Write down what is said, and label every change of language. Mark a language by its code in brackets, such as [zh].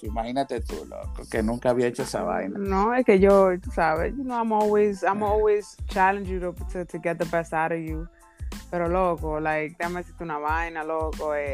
[es] Imagínate tú, loco, que nunca había hecho esa vaina. No, es que yo, tú sabes, [en] you know, I'm always challenging you to get the best out of you. [es] Pero loco, like, déjame decirte una vaina, loco.